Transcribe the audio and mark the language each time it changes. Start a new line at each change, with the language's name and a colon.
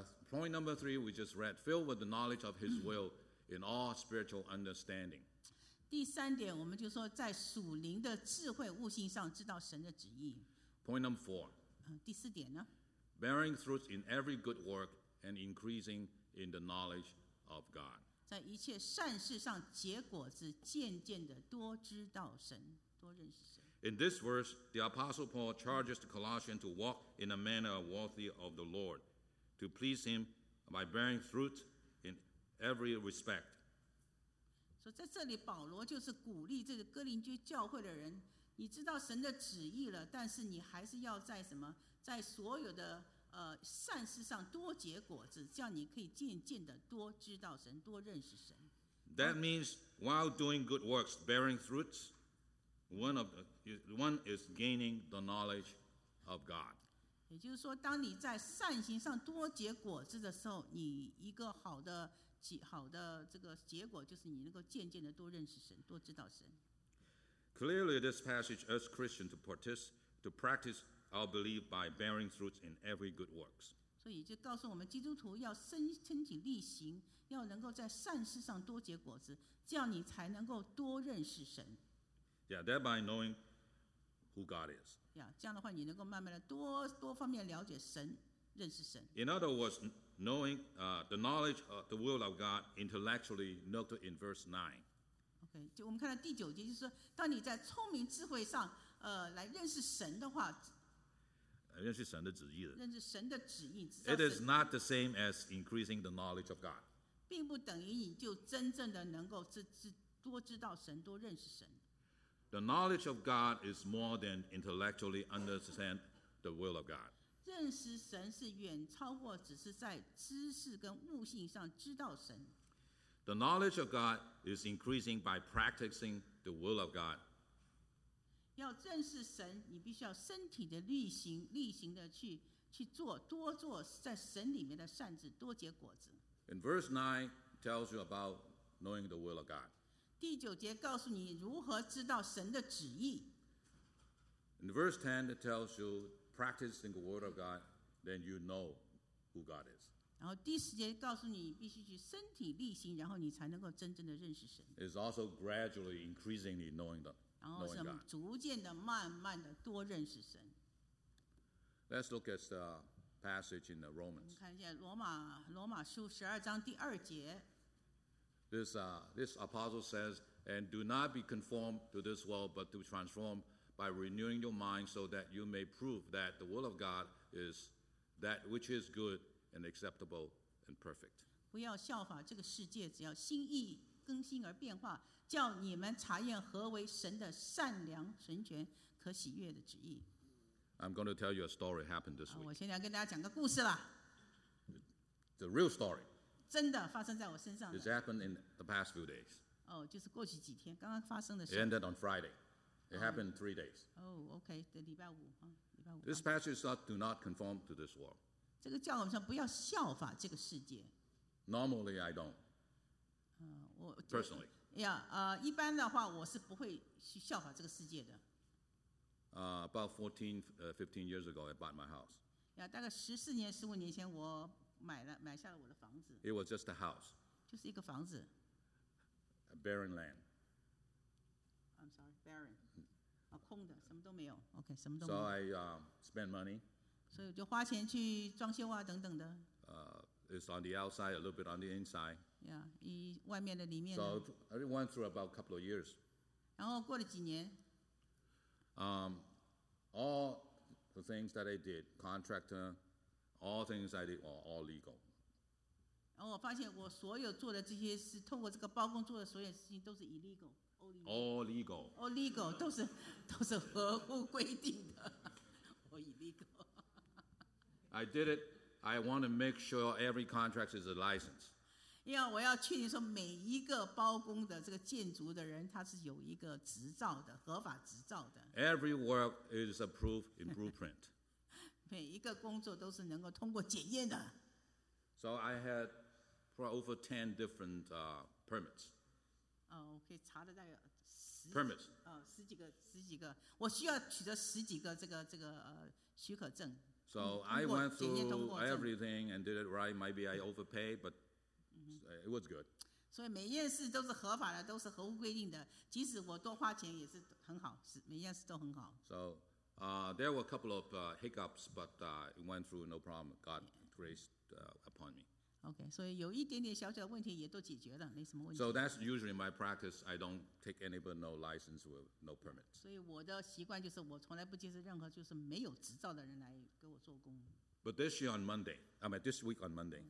English: Point number three, we just read, filled with the knowledge of His will in all spiritual understanding.
Chinese: 第三点，我们就说在属灵的智慧悟性上知道神的旨意。
English: Point number four.
Chinese: 第四点呢?
English: Bearing fruit in every good work and increasing in the knowledge of God.
Chinese: 在一切善事上结果子，渐渐的多知道神，多认识神。
English: In this verse, the Apostle Paul charges the Colossians to walk in a manner worthy of the Lord, to please Him by bearing fruit in every respect.
Chinese: 所以在这里，保罗就是鼓励这个哥林居教会的人。你知道神的旨意了，但是你还是要在什么，在所有的善事上多结果子，这样你可以渐渐的多知道神，多认识神。
English: That means while doing good works, bearing fruits, one is gaining the knowledge of God.
Chinese: 也就是说，当你在善行上多结果子的时候，你一个好的这个结果就是你能够渐渐的多认识神，多知道神。
English: Clearly, this passage urges Christians to practice our belief by bearing fruits in every good works.
Chinese: 所以就告诉我们，基督徒要身体力行，要能够在善事上多结果子，这样你才能够多认识神。
English: Yeah, thereby knowing who God is.
Chinese: Yeah, 这样的话，你能够慢慢的多方面了解神，认识神。
English: In other words, knowing the knowledge of the will of God intellectually noted in verse 9.
Chinese: 就我们看到第九节，就是说，当你在聪明智慧上，来认识神的话，认识神的旨意了。认识神的旨意。
English: It is not the same as increasing the knowledge of God.
Chinese: 并不等于你就真正的能够多知道神，多认识神。
English: The knowledge of God is more than intellectually understand the will of God.
Chinese: 认识神是远超过只是在知识跟悟性上知道神。
English: The knowledge of God is increasing by practicing the will of God.
Chinese: 要认识神，你必须要身体的力行的去做，多做在神里面的善事，多结果子。
English: And verse 9 tells you about knowing the will of God.
Chinese: 第九节告诉你如何知道神的旨意。
English: And verse 10 it tells you practicing the word of God, then you know who God is.
Chinese: 然后第十节告诉你必须去身体力行，然后你才能够真正的认识神。
English: It's also gradually increasingly knowing the knowing God.
Chinese: 然后是逐渐的慢慢的多认识神。
English: Let's look at the passage in the Romans.
Chinese: 我们看一下罗马书十二章第二节。
English: This apostle says, and do not be conformed to this world, but to transform by renewing your mind, so that you may prove that the will of God is that which is good. And acceptable and perfect.
Chinese: 不要效法这个世界，只要心意更新而变化，叫你们查验何为神的善良、纯全、可喜悦的旨意。
English: I'm going to tell you a story happened this week.
Chinese: 我现在要跟大家讲个故事了。
English: The real story.
Chinese: 真的发生在我身上的。
English: It's happened in the past few days.
Chinese: 哦，就是过去几天，刚刚发生的事。
English: It ended on Friday. It happened in 3 days. Oh, okay.
Chinese: 的礼拜五啊，礼拜五。
English: This passage says, "Do not conform to this world."
Chinese: 这个教我们说不要效法这个世界。
English: Normally, I don't. Personally. Personally.
Chinese: Yeah, 一般的话我是不会去效法这个世界的。
English: About 15 years ago, I bought my house.
Chinese: Yeah, 大概十四年、十五年前，我买下了我的房子。
English: It was just a house.
Chinese: 就是一个房子。
English: A barren land. I'm sorry, barren.
Chinese: 啊，空的，什么都没有。OK, 什么都没有。
English: So I spend money.
Chinese: 所以就花钱去装修啊，等等的。
English: It's on the outside, a little bit on the inside.
Chinese: Yeah, 以外面的里面。
English: So I went through about a couple of years.
Chinese: 然后过了几年。
English: All the things that I did, contractor, all things I did were all legal.
Chinese: 然后我发现我所有做的这些事，通过这个包工做的所有事情都是
English: illegal, all legal. All legal,
Chinese: 都是合乎规定的
English: all illegal. I did it. I want to make sure every contract is a license.
Chinese: 因为我要确定说每一个包工的这个建筑的人，他是有一个执照的，合法执照的。
English: Every work is approved in blueprint.
Chinese: 每一个工作都是能够通过检验的。
English: So I had probably over 10 different permits.
Chinese: 哦，我可以查的大概十
English: permits.
Chinese: 哦，十几个，我需要取得十几个这个许可证。
English: So I went through everything and did it right. Maybe I overpaid, but it was good.
Chinese: 所以每件事都是合法的，都是合乎规定的。即使我多花钱也是很好，每件事都很好。
English: So, there were a couple of hiccups, but it went through no problem. God graced upon me.
Chinese: Okay, 所以有一点点小小的问题也都解决了，没什么问题。
English: So that's usually my practice. I don't take anybody no license with no permit.
Chinese: 所以我的习惯就是我从来不接受任何就是没有执照的人来给我做工。
English: But this year on Monday, I mean this week on Monday.